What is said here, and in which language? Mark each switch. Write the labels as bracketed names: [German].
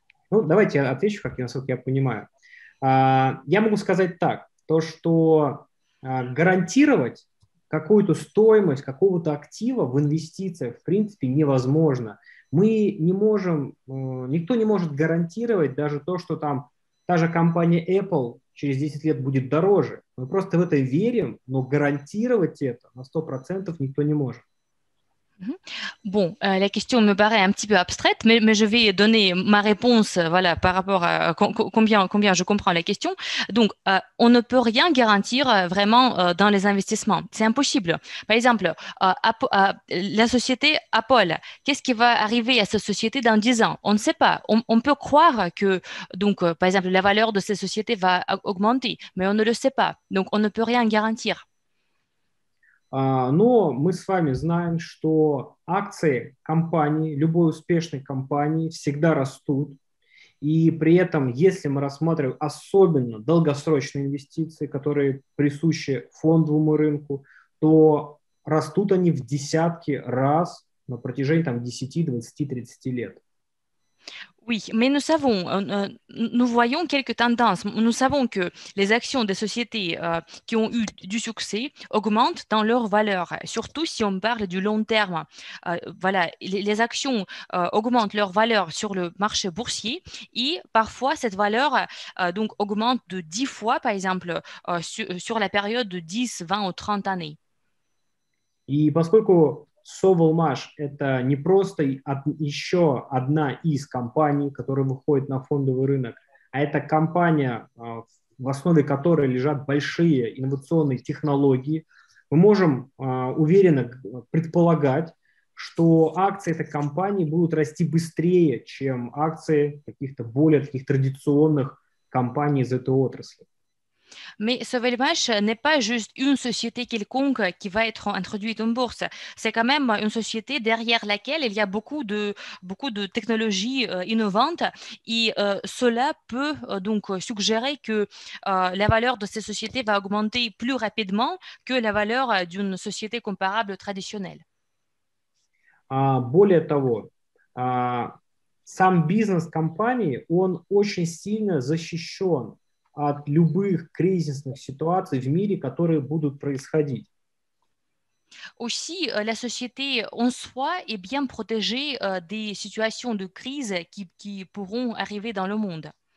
[Russian] Ну, давайте я отвечу, как я, насколько я понимаю. Я могу сказать так, то, что гарантировать какую-то стоимость какого-то актива в инвестициях, в принципе, невозможно. Мы не можем, никто не может гарантировать даже то, что там та же компания Apple через 10 лет будет дороже. Мы просто в это верим, но гарантировать это на 100% никто не может. [French] Bon, la question me paraît un petit peu abstraite, mais je vais donner ma réponse, voilà, par rapport à combien je comprends la question. Donc, on ne peut rien garantir vraiment dans les investissements. C'est impossible. Par exemple, la société Apple, qu'est-ce qui va arriver à cette société dans 10 ans? On ne sait pas. On peut croire que, donc, par exemple, la valeur de cette société va augmenter, mais on ne le sait pas. Donc, on ne peut rien garantir. [Russian] Но мы с вами знаем, что акции компании, любой успешной компании, всегда растут. И при этом, если мы рассматриваем особенно долгосрочные инвестиции, которые присущи фондовому рынку, то растут они в десятки раз на протяжении там, 10, 20, 30 лет. [French] Oui, mais nous voyons quelques tendances. Nous savons que les actions des sociétés qui ont eu du succès augmentent dans leur valeur, surtout si on parle du long terme. Voilà, les actions augmentent leur valeur sur le marché boursier et parfois cette valeur donc augmente de 10 fois, par exemple, sur la période de 10, 20 ou 30 années. [Russian] И поскольку Sovelmash – это не просто еще одна из компаний, которая выходит на фондовый рынок, а это компания, в основе которой лежат большие инновационные технологии, мы можем уверенно предполагать, что акции этой компании будут расти быстрее, чем акции каких-то более таких традиционных компаний из этой отрасли. [French] Mais Sovelmash n'est пas juste une société quelconque qui va être introduite en bourse. C'est quand même une société derrière laquelle il y a beaucoup de technologies innovantes. Et cela peut donc suggérer que la valeur de ces sociétés va augmenter plus rapidement que la valeur d'une société comparable traditionnelle. [Russian] Более того, сам бизнес компании, он очень сильно защищен от любых кризисных ситуаций в мире, которые будут происходить. [French] Aussi, la société en soi est bien protégée des situations de crise qui pourront arriver dans le monde.